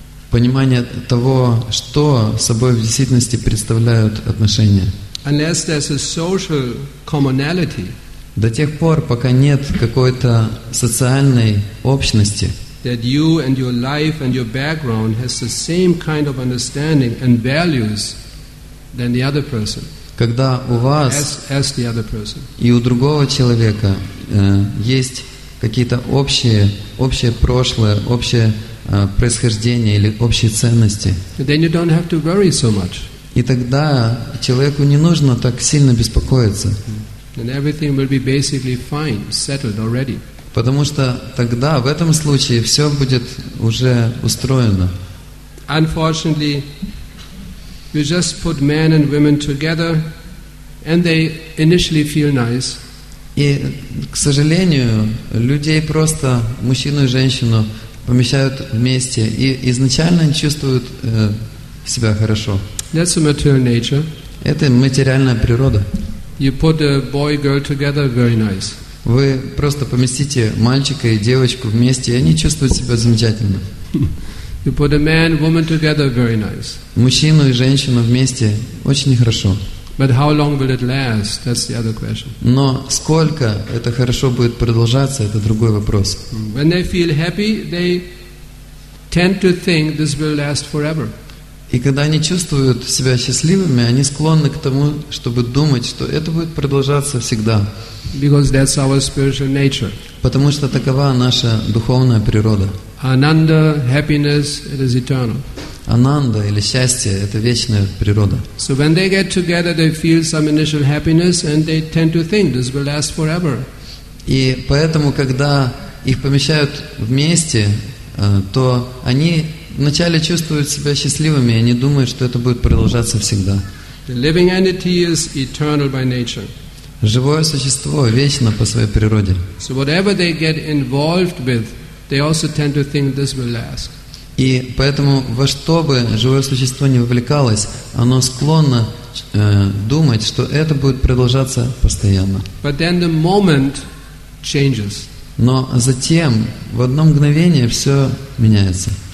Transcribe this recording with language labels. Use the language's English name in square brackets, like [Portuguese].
[Russian] Понимание того, что собой в действительности представляют отношения. [English] Unless there's a social commonality, [Russian] до тех пор, пока нет какой-то социальной общности, [English] that you and your life and your background has the same kind of understanding and values than the other person. [Russian] Когда у вас [English] as the other person. [Russian] И у другого человека есть какие-то общее прошлое, общее происхождение или общие ценности, [English] then you don't have to worry so much. [Russian] И тогда человеку не нужно так сильно беспокоиться. [English] And everything will be basically fine, settled already. [Russian] Потому что тогда, в этом случае, все будет уже устроено. [English] Unfortunately, you just put men and women together, and they initially feel nice. [Russian] И, к сожалению, людей просто, мужчину и женщину, помещают вместе, и изначально они чувствуют себя хорошо. [English] That's a material nature. [Russian] Это материальная природа. [English] You put a boy, girl together, very nice. [Russian] Вы просто поместите мальчика и девочку вместе, и они чувствуют себя замечательно. [English] You put a man, woman together, very nice. [Russian] Мужчину и женщину вместе очень хорошо. [English] But how long will it last? That's the other question. [Russian] Но сколько это хорошо будет продолжаться, это другой вопрос. [English] When they feel happy, they tend to think this will last forever. [Russian] И когда они чувствуют себя счастливыми, они склонны к тому, чтобы думать, что это будет продолжаться всегда. [English] Because that's our spiritual nature. [Russian] Потому что такова наша духовная природа. [English] Ananda, happiness, it is eternal. [Russian] Ананда или счастье – это вечная природа. [English] So when they get together, they feel some initial happiness, and they tend to think this will last forever. [Russian] И поэтому, когда их помещают вместе, то они вначале чувствуют себя счастливыми, и они думают, что это будет продолжаться всегда. [English] The living entity is eternal by nature. [Russian] Живое существо вечно по своей природе. [English] So whatever they get involved with, they also tend to think this will last. [Russian] И поэтому во что бы живое существо не вовлекалось, оно склонно думать, что это будет продолжаться постоянно. [English] But then the moment changes. [Russian] Но затем в одно мгновение все меняется.